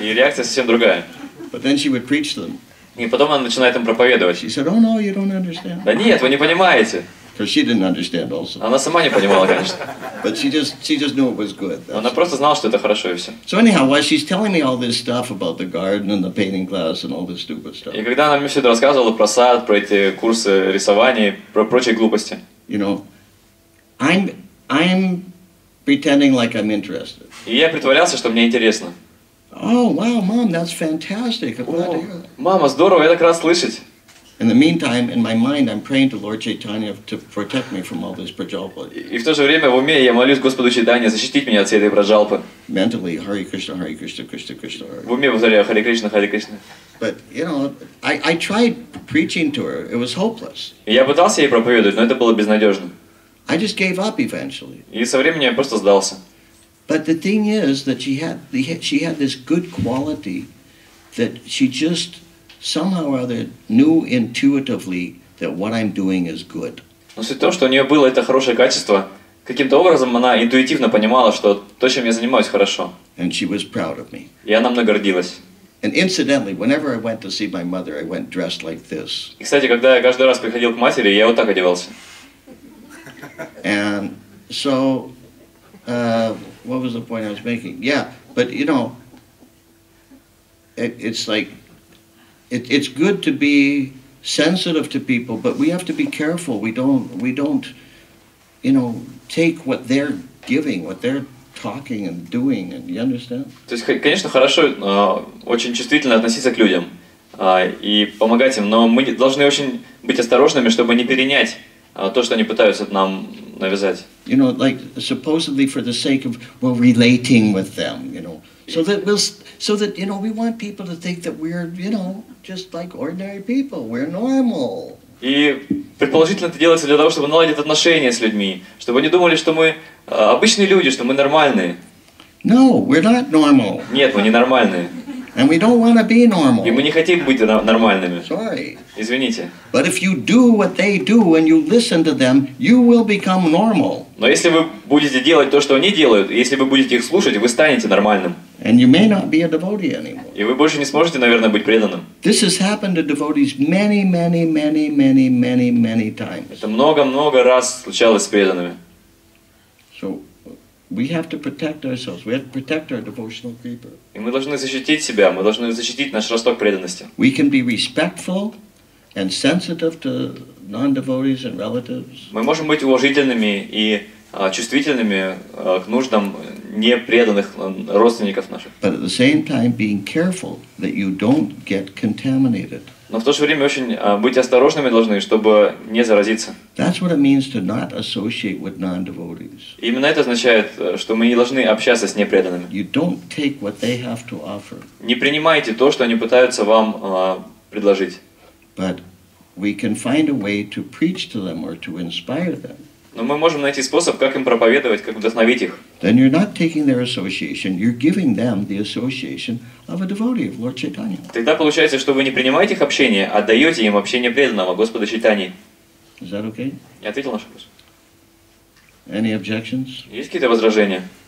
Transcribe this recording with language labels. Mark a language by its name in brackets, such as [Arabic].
[Russian] И реакция совсем другая. [English] But then she would preach them. [Russian] И потом она начинает им проповедовать. [English] She said, "Oh no, you don't understand." [Russian] Да нет, вы не понимаете. [English] Because she didn't understand also. [Russian] Она сама не понимала, конечно. [English] But she just knew it was good. [Russian] Она просто знала, что это хорошо и все. [English] So anyhow, while she's telling me all this stuff about the garden and the painting class and all this stupid stuff. [Russian] И когда она мне все это рассказывала про сад, про эти курсы рисования, про прочие глупости. [English] You know, I'm pretending like I'm interested. [Russian] И я притворялся, что мне интересно. [English] Oh, wow, mom, that's fantastic. I'm glad to hear that. [Russian] Мама, здорово, я так рад слышать. [English] In the meantime, in my mind, I'm praying to Lord Chaitanya to protect me from all this prajalpa. [Russian] И в то же время в уме я молюсь Господу Чайтанье защитить меня от всей этой прожалпы. [English] Mentally, Hare Krishna, Hare Krishna, Krishna Krishna. [Russian] В уме повторяю Hare Krishna, Hare Krishna. [English] But you know, I tried preaching to her. It was hopeless. [Russian] Я пытался ей проповедовать, но это было безнадежно. [English] I just gave up eventually. [Russian] И со временем я просто сдался. [English] But the thing is that she had this good quality that she just somehow or other knew intuitively that what I'm doing is good. [Russian] Но суть в том, что у нее было это хорошее качество. Каким-то образом она интуитивно понимала, что то, чем я занимаюсь, хорошо. [English] And she was proud of me. [Russian] И она мной гордилась. [English] And incidentally, whenever I went to see my mother, I went dressed like this. [Russian] И, кстати, когда я каждый раз приходил к матери, я вот так одевался. [English] And so, what was the point I was making? Yeah, but you know, it's good to be sensitive to people, but we have to be careful. We don't, you know, take what they're giving, what they're talking and doing, and you understand? [Russian] То есть, конечно, хорошо, очень чувствительно относиться к людям и помогать им, но мы должны очень быть осторожными, чтобы не перенять то, что они пытаются нам навязать. [English] You know, like supposedly for the sake of well relating with them, you know, so that you know we want people to think that we're you know just like ordinary people, we're normal. [Russian] И предположительно это делается для того, чтобы наладить отношения с людьми, чтобы они думали, что мы обычные люди, что мы нормальные. [English] No, we're not normal. [Russian] Нет, мы не нормальные. [English] And we don't want to be normal. [Russian] И мы не хотим быть нормальными. [English] Sorry. [Russian] Извините. [English] But if you do what they do and you listen to them, you will become normal. [Russian] Но если вы будете делать то, что они делают, если вы будете их слушать, вы станете нормальным. [English] And you may not be a devotee anymore. [Russian] И вы больше не сможете, наверное, быть преданным. [English] This has happened to devotees many, many, many, many, many, many times. [Russian] Это много-много раз случалось с преданными. [English] So we have to protect ourselves. We have to protect our devotional paper. [Russian] И мы должны защитить себя. Мы должны защитить наш росток преданности. [English] We can be respectful and sensitive to non-devotees and relatives. [Russian] Мы можем быть уважительными и чувствительными к нуждам непреданных родственников наших. [English] But at the same time, being careful that you don't get contaminated. [Russian] Но в то же время очень быть осторожными должны, чтобы не заразиться. [English] That's what it means to not associate with non-devotees. [Russian] Именно это означает, что мы не должны общаться с непреданными. [English] You don't take what they have to offer. [Russian] Не принимайте то, что они пытаются вам предложить. [English] But we can find a way to preach to them or to inspire them. [Russian] Но мы можем найти способ, как им проповедовать, как вдохновить их. [English] Then you're not taking their association, you're giving them the association of a devotee of Lord Chaitanya. [Russian] Тогда получается, что вы не принимаете их общение, а даете им общение преданного Господа Чайтаньи. [English] Is that okay? [Russian] Я ответил на ваш вопрос. [English] Any objections? [Russian] Есть какие-то возражения?